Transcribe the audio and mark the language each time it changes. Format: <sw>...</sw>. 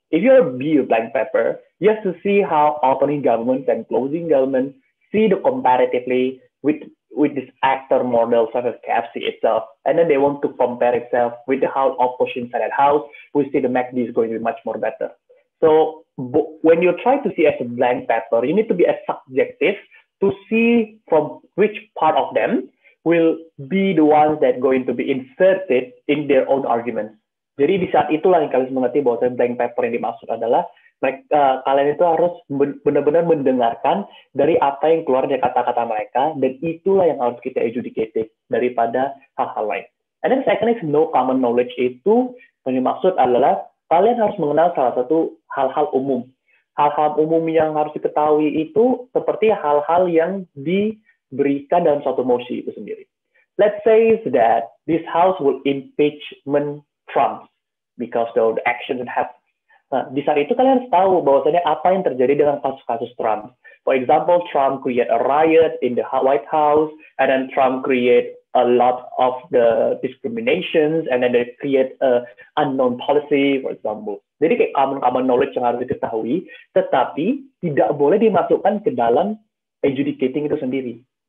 <en>If you be a blank paper, you have to see how opening governments and closing governments see the comparatively with this actor model such as KFC itself, and then they want to compare itself with how opposition side at house, we see the MACD is going to be much more better. So when you try to see as a blank paper, you need to be as subjective to see from which part of them will be the ones that going to be inserted in their own arguments.</en> <id>Jadi di saat itulah yang kalian mengerti bahwa blank paper yang dimaksud adalah kalian itu harus benar-benar mendengarkan dari apa yang keluar dari kata-kata mereka, dan itulah yang harus kita adjudicate daripada hal-hal lain.</id> <en>And then second is no common knowledge</en> <id>itu yang dimaksud adalah kalian harus mengenal salah satu hal-hal umum. Hal-hal umum yang harus diketahui itu seperti hal-hal yang diberikan dalam suatu mosi itu sendiri.</id> <en>Let's say that this house will impeachment Trump because of the actions that happened.</en> <id>Nah, di saat itu kalian harus tahu bahwasanya apa yang terjadi dengan kasus-kasus Trump.</id> <en>For example, Trump create a riot in the White House, and then Trump create a lot of the discriminations, and then they create a unknown policy, for example.</en> <id>Jadi kayak common knowledge yang harus diketahui, tetapi tidak boleh dimasukkan ke dalam adjudicating itu sendiri.</id>